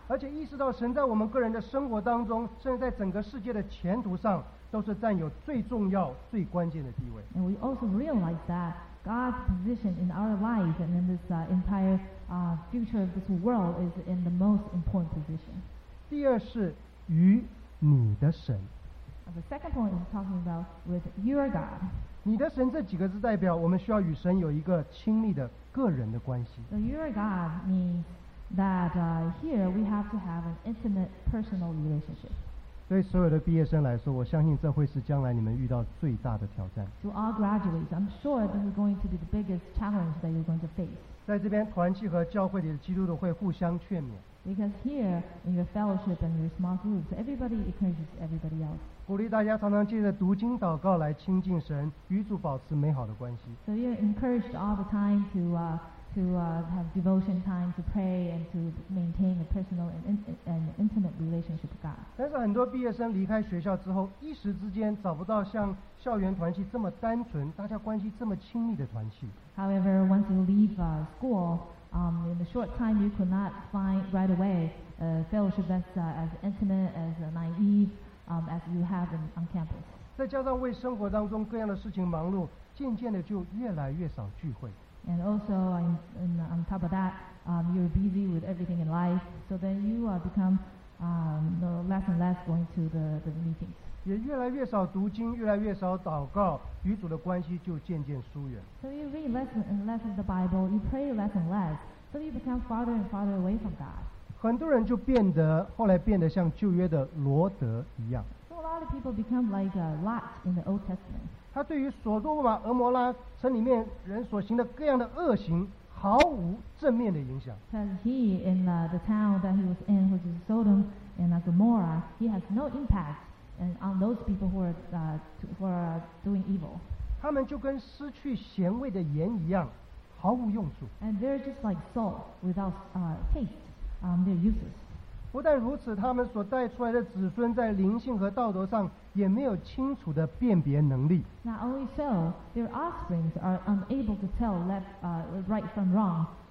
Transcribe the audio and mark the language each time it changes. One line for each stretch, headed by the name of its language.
Chinese: 而且意识到神在我们个人的生活当中，甚至在整个世界的前途上，都是占有最重要、最关键的地位。
English: And we also realize that God's position in our life and in this entire future of this world is in the most important position.
Chinese: 第二是与你的神。
English: The second point is talking about with your God.
Chinese: 你的神这几个字代表我们需要与神有一个亲密的个人的关系。
English: So your God means that here we have to have an intimate personal relationship.
Chinese: 对所有的毕业生来说，我相信这会是将来你们遇到最大的挑战。
English: To all graduates, I'm sure this is going to be the biggest challenge that you're going to face.
Chinese: 在这边团契和教会里的基督徒会互相劝勉。
English: Because here, in your fellowship and your small groups, everybody encourages everybody else.
Chinese: 鼓励大家常常借着读经祷告来亲近神，与主保持美好的关系。
English: So you're encouraged all the time to have devotion time to pray and to maintain a personal and intimate relationship with God.
Chinese: 但是很多毕业生离开学校之后，一时之间找不到像校园团契这么单纯、大家关系这么亲密的团契。
English: However, once you leave school,in a short time, you could not find right away a fellowship that's as intimate, as naive, as you have on campus.
Chinese: 再加上为生活当中各样的事情忙碌，渐渐的就越来越少聚会。
English: And also, on top of that, you're busy with everything in life, so then you become less and less going to the meetings.
Chinese: 也越来越少读经，越来越少祷告，与主的关系就渐渐疏远。
English: So you read less and less of the Bible, you pray less and less, so you become farther and farther away from God.
Chinese: 很多人就变得后来变得像旧约的罗德一样。
English: So a lot of people become like a Lot in the Old Testament.
Chinese: 他对于所多玛、俄摩拉城里面人所行的各样的恶行毫无正面的影响。
English: Because he in the town that he was in, which is Sodom and Gomorrah, he has no impact. And on those people who are doing evil.
Chinese: 他们就跟失去咸味的盐一样，毫无用处。
English: And they're just like salt without taste. They're useless.
Chinese: 不但如此，他们所带出来的子孙在灵性和道德上也没有清楚的辨别能力。
English: Not only so, their offsprings are unable to tell left right from wrong.